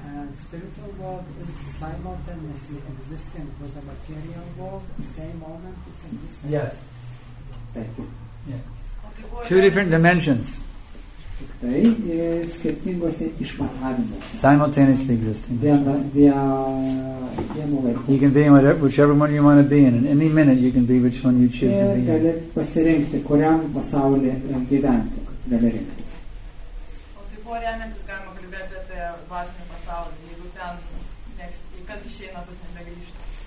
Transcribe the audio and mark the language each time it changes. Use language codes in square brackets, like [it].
[en] And spiritual world is simultaneously existing with the material world, the same moment it's existing. Yes. Thank you. Yeah. Two different dimensions. [lt] Tai skirtingose išmatavimuose. [en] Simultaneously existing. [lt] Vienu laiku. [en] You can be whichever one you want to be in. In any minute you can be which one you choose to be in. [lt] Ir gali pasirinkti, kuriam pasaulyje gyventi. Gali rinktis. O tai buvo remiantis galima kalbėti apie dvasinį pasaulį, jeigu ten kas išeina, bus nebegrįžta.